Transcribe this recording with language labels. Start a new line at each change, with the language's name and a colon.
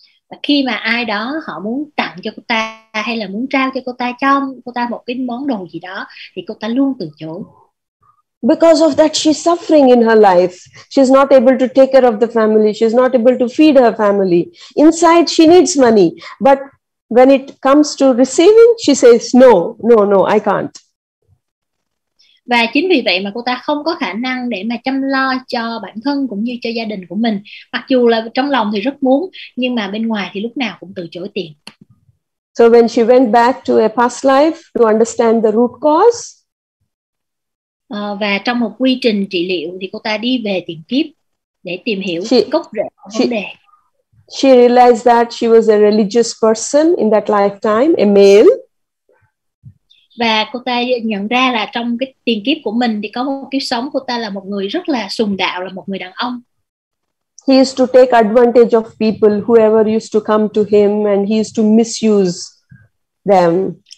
Vietnamese: Và khi mà ai đó họ muốn tặng cho cô ta hay là muốn trao cho cô ta, cho cô ta một cái món đồ gì đó, thì cô ta luôn từ chối.
English: Because of that, she's suffering in her life. She's not able to take care of the family. She's not able to feed her family. Inside, she needs money. But when it comes to receiving, she says, no, I can't.
Vietnamese: Và chính vì vậy mà cô ta không có khả năng để mà chăm lo cho bản thân cũng như cho gia đình của mình. Mặc dù là trong lòng thì rất muốn, nhưng mà bên ngoài thì lúc nào cũng từ chối tiền.
English: So when she went back to a past life to understand the root cause,
Vietnamese: Và trong một quy trình trị liệu thì cô ta đi về tiền kiếp để tìm hiểu gốc rễ của vấn đề.
English: She realized that she was a religious person in that lifetime, a male.
Vietnamese: Và cô ta nhận ra là trong cái tiền kiếp của mình thì có một kiếp sống cô ta là một người rất là sùng đạo, là một người đàn ông.
English: He used to take advantage of people, whoever used to come to him, and he used to misuse them.